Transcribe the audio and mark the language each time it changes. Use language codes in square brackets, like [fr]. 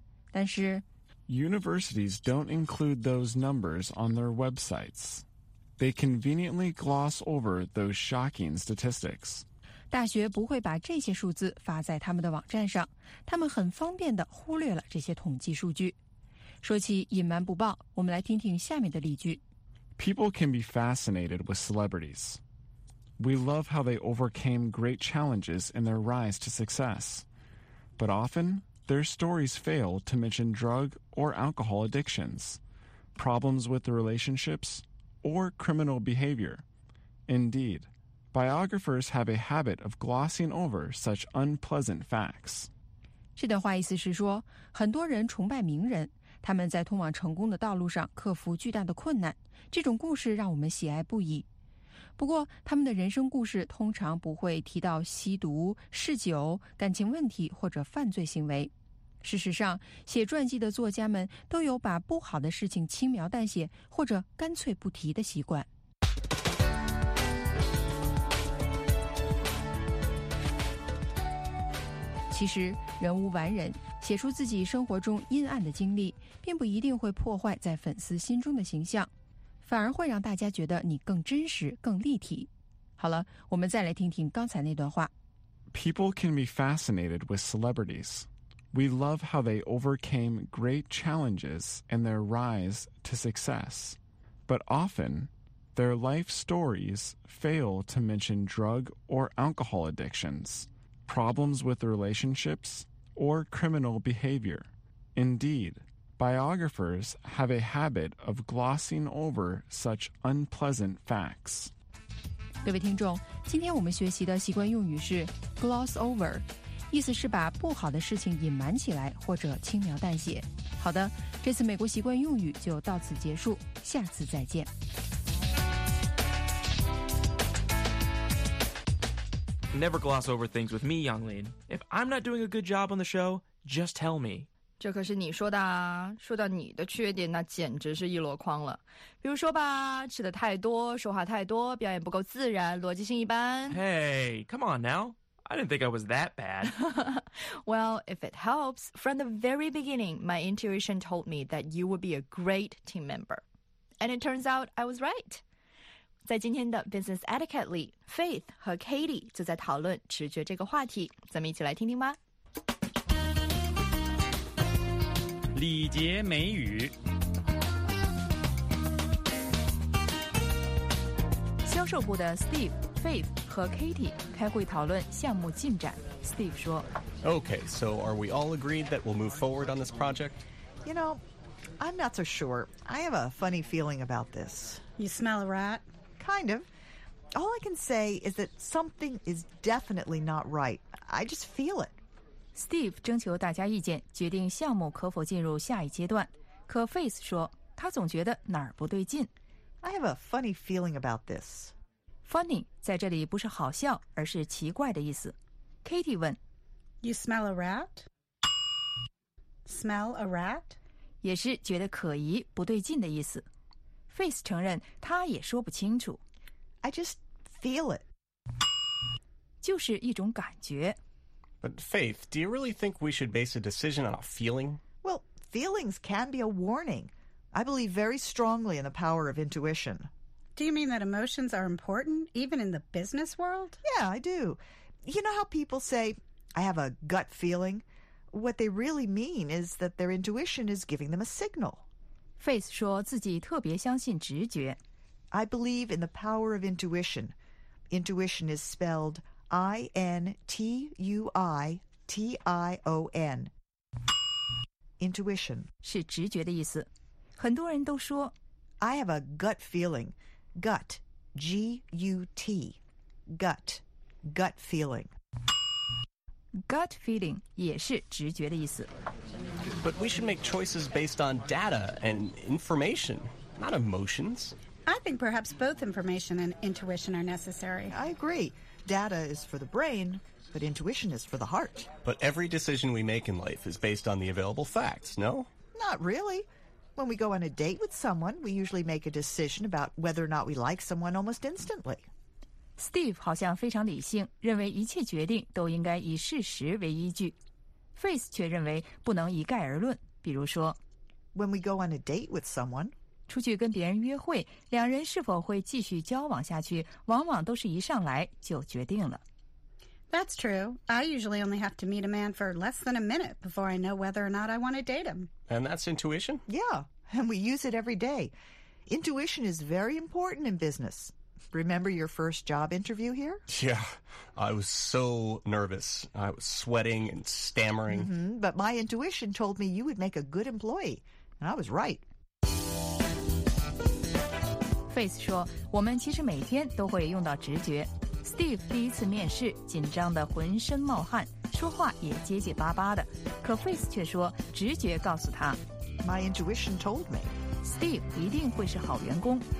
[zh] 但是 [en] ，Universities don't include those numbers on their websites. They conveniently gloss over those shocking statistics. [zh] 大学不会把这些数字发在他们的网站上，他们很方便地忽略了这些统计数据。说起隐瞒不报，我们来听听下面的例句。 [en] People can be fascinated with celebrities. We love how they overcame great challenges in their rise to success. But often, their stories fail to mention drug or alcohol addictions, problems with relationships,or criminal behavior. Indeed, biographers have a habit of glossing over such unpleasant facts. [zh] 这段话意思是说，很多人崇拜名人，他们在通往成功的道路上克服巨大的困难，这种故事让我们喜爱不已。不过，他们的人生故事通常不会提到吸毒、嗜酒、感情问题或者犯罪行为。事实上，写传记的作家们都有把不好的事情轻描淡写或者干脆不提的习惯。其实，人无完人，写出自己生活中阴暗的经历，并不一定会破坏在粉丝心中的形象，反而会让大家觉得你更真实、更立体。好了，我们再来听听刚才那段话。 [en] People can be fascinated with celebrities. We love how they overcame great challenges and their rise to success. But often, their life stories fail to mention drug or alcohol addictions. Problems with relationships, or criminal behavior. Indeed, biographers have a habit of glossing over such unpleasant facts. [zh] 各位听众，今天我们学习的习惯用语是 gloss over, 意思是把不好的事情隐瞒起来或者轻描淡写。好的，这次美国习惯用语就到此结束，下次再见。 [en] Never gloss over things with me, Yonglin. If I'm not doing a good job on the show, just tell me. [zh] 这可是你说的啊。说到你的缺点，那简直是一箩筐了。比如说吧，吃的太多，说话太多，表演不够自然，逻辑性一般。 [en] Hey, come on now. I didn't think I was that bad. Well, if it helps, from the very beginning, my intuition told me that you would be a great team member. And it turns out I was right. [zh] 在今天的 Business Etiquette 里 ,Faith 和 Katie 就在讨论直觉这个话题。咱们一起来听听吧。礼节美语。销售部的 Steve, Faith 和 Katie 开会讨论项目进展。 Steve 说 [en] Okay, so are we all agreed that we'll move forward on this project? You know, I'm not so sure. I have a funny feeling about this. You smell a rat? Kind of. All I can say is that something is definitely not right. I just feel it. [zh] Steve 征求大家意见，决定项目可否进入下一阶段。可 Faith 说，他总觉得哪儿不对劲。 [en] I have a funny feeling about this. [zh] Funny 在这里不是好笑，而是奇怪的意思。 Katie 问 [en] ，You smell a rat? Smell a rat? [zh] 也是觉得可疑、不对劲的意思。Faith 承认他也说不清楚。 [en] I just feel it. [zh] 就是一种感觉。 [en] But Faith, do you really think we should base a decision on a feeling? Well, feelings can be a warning. I believe very strongly in the power of intuition. Do you mean that emotions are important, even in the business world? Yeah, I do. You know how people say, I have a gut feeling? What they really mean is that their intuition is giving them a signal. [zh] Faith 说自己特别相信直觉。 [en] I believe in the power of intuition. Intuition is spelled I-N-T-U-I-T-I-O-N. Intuition. [zh] 是直觉的意思。很多人都说 [en] I have a gut feeling. Gut. G-U-T. Gut. Gut feeling. [zh] Gut feeling 也是直觉的意思。 [en] But we should make choices based on data and information, not emotions. I think perhaps both information and intuition are necessary. I agree. Data is for the brain, but intuition is for the heart. But every decision we make in life is based on the available facts, no? Not really. When we go on a date with someone, we usually make a decision about whether or not we like someone almost instantly. [zh] Steve 好像非常理性，认为一切决定都应该以事实为依据。 Faith 却认为不能一概而论，比如说 [en] When we go on a date with someone [zh] 出去跟别人约会，两人是否会继续交往下去，往往都是一上来就决定了。 [en] That's true. I usually only have to meet a man for less than a minute before I know whether or not I want to date him. And that's intuition? Yeah, and we use it every day. Intuition is very important in business. Remember your first job interview here? Yeah, I was so nervous. I was sweating and stammering. Mm-hmm. But my intuition told me you would make a good employee, and I was right. [zh] Faith 说，我们其实每天都会用到直觉。 Steve 第一次面试，紧张得浑身冒汗，说话也结结巴巴的。可 Face 却说，直觉告诉他 [en] ，My intuition told me [zh] Steve 一定会是好员工。